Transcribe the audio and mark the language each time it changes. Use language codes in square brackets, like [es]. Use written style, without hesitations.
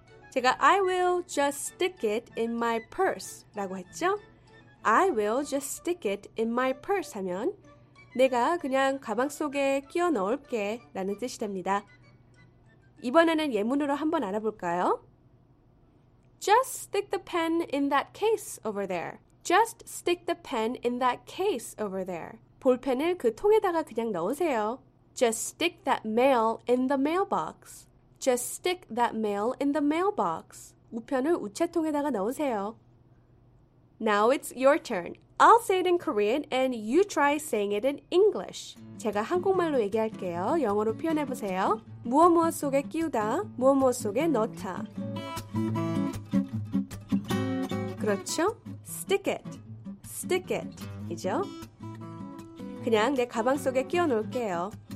[ko] 제가 [en] I will just stick it in my purse [ko] 라고 했죠? [en] I will just stick it in my purse [ko] 하면 내가 그냥 가방 속에 끼워 넣을게 라는 뜻이 됩니다. 이번에는 예문으로 한번 알아볼까요? [en] Just stick the pen in that case over there. Just stick the pen in that case over there. [ko] 볼펜을 그 통에다가 그냥 넣으세요. [en] Just stick that mail in the mailbox. Just stick that mail in the mailbox. [ko] 우편을 우체통에다가 넣으세요. [en] Now it's your turn. I'll say it in Korean and you try saying it in English. [ko] 제가 한국말로 얘기할게요. 영어로 표현해 보세요. 무엇무엇 속에 끼우다, 무엇무엇 속에 넣다. 그렇죠? [en] Stick it. Stick it. [ko] 이죠? 그냥 내 가방 속에 끼워 놓을게요.